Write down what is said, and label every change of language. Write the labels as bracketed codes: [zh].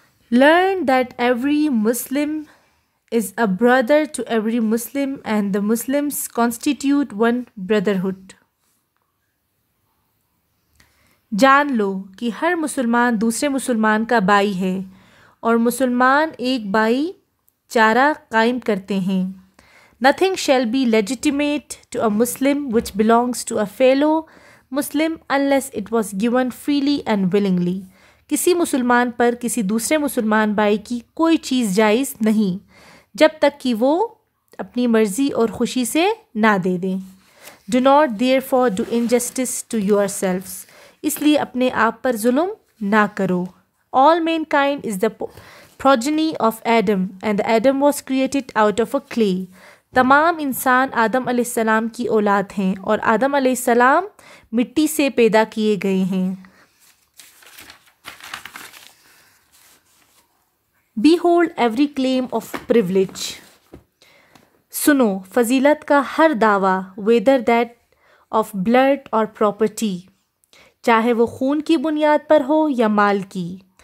[en] Learn that every Muslim is a brother to every Muslim and the Muslims constitute one brotherhood. [ur] جان لو کہ ہر مسلمان دوسرے مسلمان کا بھائی ہے اور مسلمان ایک بھائی چارہ قائم کرتے ہیں. [en] Nothing shall be legitimate to a Muslim which belongs to a fellow Muslim unless it was given freely and willingly. [ur] کسی مسلمان پر کسی دوسرے مسلمان بھائی کی کوئی چیز جائز نہیں جب تک کہ وہ اپنی مرضی اور خوشی سے نہ دے دیں. [en] Do not therefore do injustice to yourselves. [ur] اس لیے اپنے آپ پر ظلم نہ کرو. [en] All mankind is the progeny of Adam and the Adam was created out of a clay. [ur] تمام انسان آدم علیہ السلام کی اولاد ہیں اور آدم علیہ السلام مٹی سے پیدا کیے گئے ہیں. [en] Behold every claim of privilege. [ur] سنو فضیلت کا ہر دعویٰ, [en] whether that of blood or property, [ur] چاہے وہ خون کی بنیاد پر ہو یا مال کی.